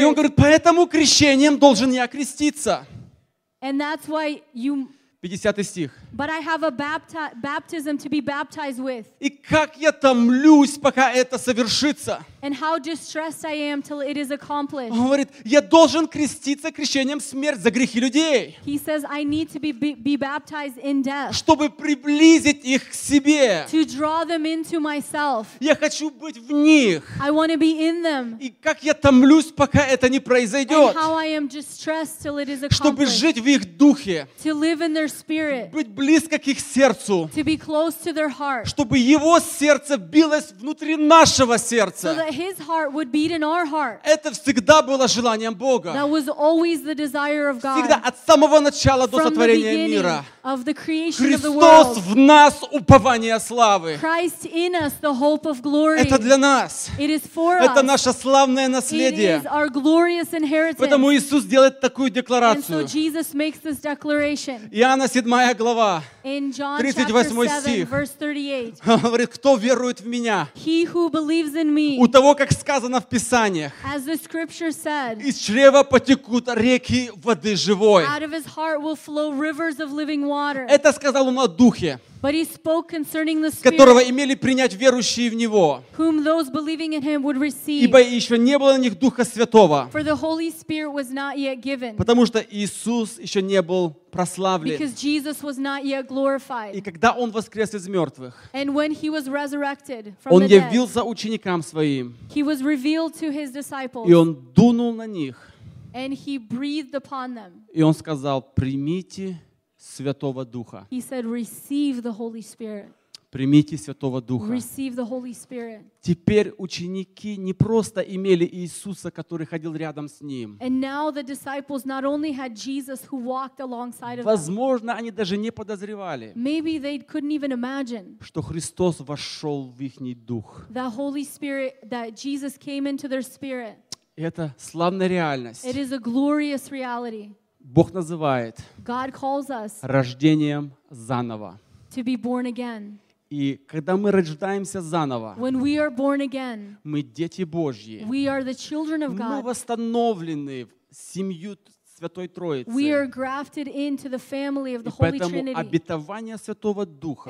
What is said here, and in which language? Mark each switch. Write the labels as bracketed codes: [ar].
[ru] И он говорит, поэтому крещением должен я креститься. [en] And that's why you. [ru] 50 стих. [en] But I have a baptism to be baptized with. [ru] И как я томлюсь, пока это совершится. [en] And how distressed I am till it is accomplished. [ru] Он говорит, я должен креститься крещением смерти за грехи людей. [en] He says I need to be baptized in death. [ru] Чтобы приблизить их к себе. [en] To draw them into myself. [ru] Я хочу быть в них. [en] I want to be in them. [ru] И как я томлюсь, пока это не произойдет. [en] And how I am distressed till it is accomplished. [ru] Чтобы жить в их духе. [en] To live in their spirit. [ru] Быть близко к их сердцу. [en] To be close to their heart. [ru] Чтобы его сердце билось внутри нашего сердца. [en] That his heart would beat in our heart. [ru] Это всегда было желанием Бога. [en] That was always the desire of God. [ru] Всегда от самого начала до сотворения мира. [en] Of the creation [ru] Христос [en] of the world. [ru] В нас упование славы. [en] Christ in us the hope of glory. [ru] Это для нас. [en] It is for us. [ru] Это наше славное наследие. [en] It is our glorious inheritance. [ru] Поэтому Иисус делает такую декларацию. [en] And so Jesus makes this declaration. [ru] Иоанна 7 глава. [en] In John 38 стих. [ru] Говорит, кто верует в меня? [en] He who believes in me. [ru] У того, как сказано в Писаниях. [en] As the scripture said. [ru] Из чрева потекут реки воды живой. [en] Out of his heart will flow rivers of living water. [ru] Это сказал он о духе. [en] But he spoke concerning the Spirit, [ru] которого имели принять верующие в Него, [en] whom those believing in Him would receive, [ru] ибо еще не было на них Духа Святого, [en] for the Holy Spirit was not yet given, [ru] потому что Иисус еще не был прославлен, [en] because Jesus was not yet glorified. [ru] И когда Он воскрес из мертвых, [en] and when He was resurrected from the dead, [ru] Он явился ученикам Своим, [en] He was revealed to His disciples, [ru] и Он дунул на них, [en] and He breathed upon them. [ru] И Он сказал, примите Святого Духа. [en] He said, receive the Holy Spirit. [ru] Примите Святого Духа. [en] Receive the Holy Spirit. [ru] Теперь ученики не просто имели Иисуса, который ходил рядом с Ним. [en] And now the disciples not only had Jesus who walked alongside of [ru] Возможно, они даже не подозревали. [en] Maybe they couldn't even imagine. [ru] Что Христос вошел в их дух. [en] That Holy Spirit, that Jesus came into their spirit. [ru] И это славная реальность. [en] It is a glorious reality. [ru] Бог называет [en] God calls us [ru] рождением заново. [en] To be born again. [ru] И когда мы рождаемся заново, [en] when we are born again, [ru] мы дети Божьи. [en] We are the children of God. [ru] Мы восстановлены в семью Святой Троицы. [en] We are grafted into the family of the Holy Trinity. [ru] И поэтому обетование Святого Духа,